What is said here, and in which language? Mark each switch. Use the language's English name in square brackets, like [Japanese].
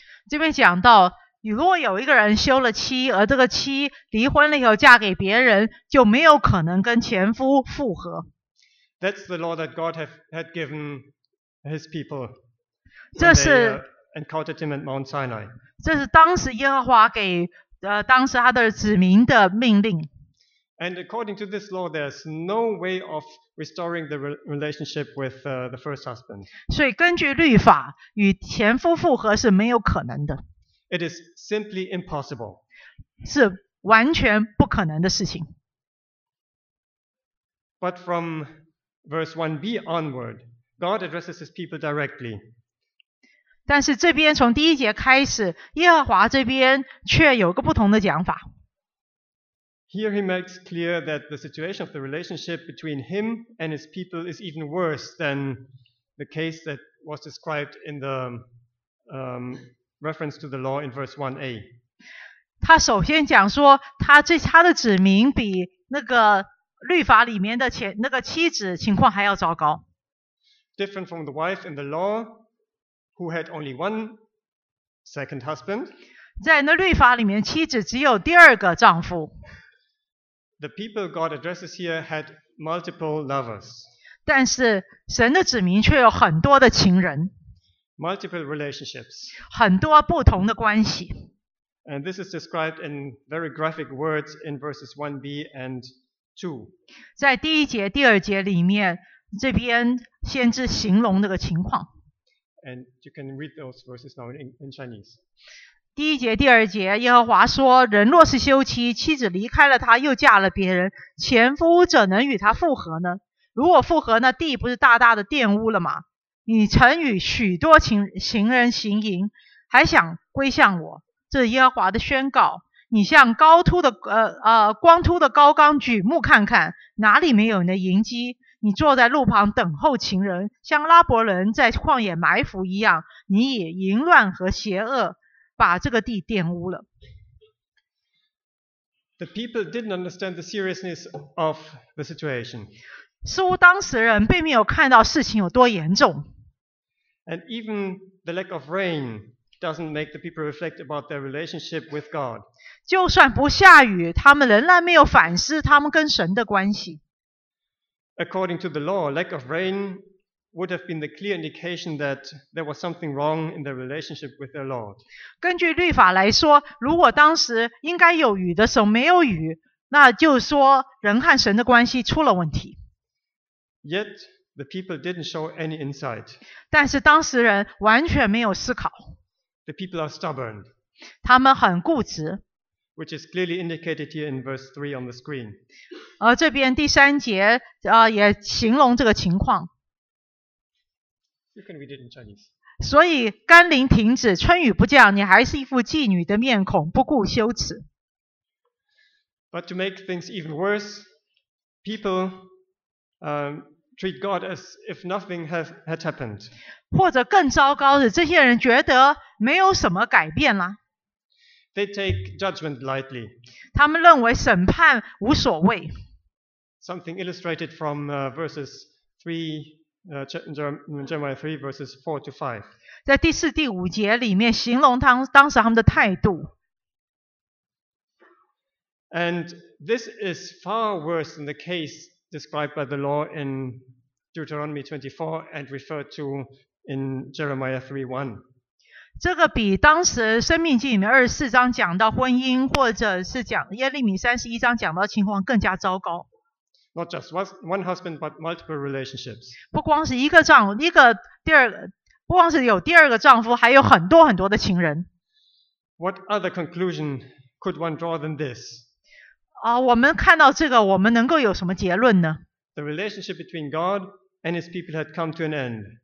[Chinese] 这边讲到，如果有一个人休了妻，而这个妻离婚了以后嫁给别人，就没有可能跟前夫复合。 [English] That's the law that God had given His people. [Chinese] 这是 [English] encountered Him at Mount Sinai. [Chinese] 这是当时耶和华给当时他的子民的命令。 [English] And according to this law, there's no way of restoring the relationship with the first husband. [Chinese] 所以根据律法，与前夫复合是没有可能的。 [English] It is simply impossible. [Chinese] 是完全不可能的事情。 [English] But from verse 1b onward, God addresses his people directly. [Chinese] 但是这边从第一节开始，耶和华这边却有个不同的讲法。 [English] Here he makes clear that the situation of the relationship between him and his people is even worse than the case that was described in the reference to the law in verse 1a. [Chinese] 他首先讲说，他的子民比那个律法里面的前那个妻子情况还要糟糕。 [English] Different from the wife in the law, who had only one second husband. [Chinese] 在那律法里面，妻子只有第二个丈夫。 [English] The people God addresses here had multiple lovers. [Chinese] 但是神的子民却有很多的情人。 [English] Multiple relationships. [Chinese] 很多不同的关系。 [English] And this is described in very graphic words in verses 1b and 2. [Chinese] 在第一节、第二节里面，这边先知形容那个情况。 [English] And you can read those verses now in Chinese. [Chinese] 第一节、第二节，耶和华说：“人若是休妻，妻子离开了他，又嫁了别人，前夫怎能与他复合呢？如果复合，那地不是大大的玷污了吗？你曾与许多情人行淫，还想归向我。” 这是耶和华的宣告。你向高凸的光秃的高冈举目看看，哪里没有你的营基？你坐在路旁等候情人，像拉伯人在旷野埋伏一样。你以淫乱和邪恶把这个地玷污了。 [English] The people didn't understand the seriousness of the situation. [Chinese] 似乎当时人并没有看到事情有多严重。 [English] And even the lack of rain. Doesn't make the people reflect about their relationship with God. [Chinese] 就算不下雨，他们仍然没有反思他们跟神的关系。 [English] According to the law, lack of rain would have been the clear indication that there was something wrong in their relationship with their Lord. [Chinese] 根据律法来说，如果当时应该有雨的时候没有雨，那就说人和神的关系出了问题。 [English] Yet the people didn't show any insight. [Chinese] 但是当时人完全没有思考。 [English] The people are stubborn. [Chinese] 他们很固执。 [English] Which is clearly indicated here in verse 3 on the screen. [Chinese] 而这边第三节也形容这个情况。 [English] You can read it in Chinese. [Chinese] 所以甘霖停止，春雨不降，你还是一副妓女的面孔，不顾羞耻。 [English] But to make things even worse, people treat God as if nothing had happened. [Chinese] 或者更糟糕的，这些人觉得没有什么改变了。 [English] They take judgment lightly. [Chinese] 他们认为审判无所谓。 [English] Something illustrated from verses 3, Jeremiah 3, verses 4 to 5. [Chinese] 在第四、第五节里面形容当时他们的态度。 [English] And this is far worse than the case described by the law in Deuteronomy 24 and referred to in Jeremiah 3:1. [Chinese] 这个比当时《生命记》里面24章讲到婚姻，或者是讲耶利米31章讲到的情况更加糟糕。 [English] Not just one husband, but multiple relationships. [Chinese] 不光是一个丈夫，不光是有第二个丈夫，还有很多很多的情人。 [English] What other conclusion could one draw than this? [Chinese] 我们看到这个，我们能够有什么结论呢？ [English] The relationship between God and his people had come to an end.